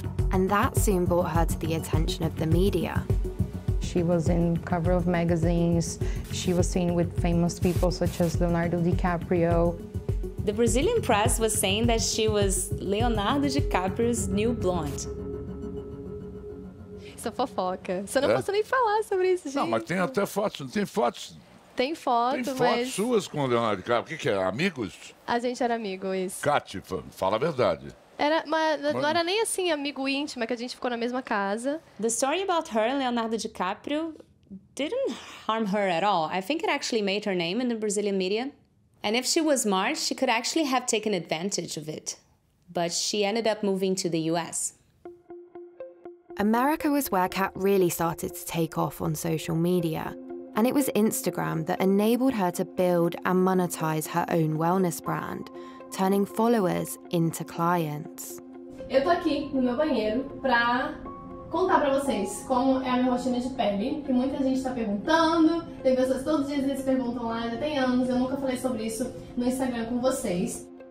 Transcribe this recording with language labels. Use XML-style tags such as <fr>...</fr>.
<en>And that soon brought her to the attention of the media. She was in cover of magazines, she was seen with famous people such as Leonardo DiCaprio. The Brazilian press was saying that she was Leonardo DiCaprio's new blonde.</en> <pt>Isso é fofoca. Você não posso nem falar sobre isso, gente. Não, mas tem até fotos, não tem fotos? Tem foto, tem fotos mas... suas com o Leonardo DiCaprio. O que é? Amigos? A gente era amigo, isso. Kat, fala a verdade. Era, mas não era nem assim amigo íntimo, é que a gente ficou na mesma casa.</pt> <en>The story about her and Leonardo DiCaprio didn't harm her at all. I think it actually made her name in the Brazilian media. And if she was smart, she could actually have taken advantage of it. But she ended up moving to the US. America was where Kat really started to take off on social media. And it was Instagram that enabled her to build and monetize her own wellness brand, turning followers into clients.</en> <pt>Eu tô aqui no meu banheiro pra contar pra vocês como é a minha rotina de pele, que muita gente tá perguntando, tem pessoas todos os dias que se perguntam lá, já tem anos, eu nunca falei sobre isso no Instagram com vocês.</pt>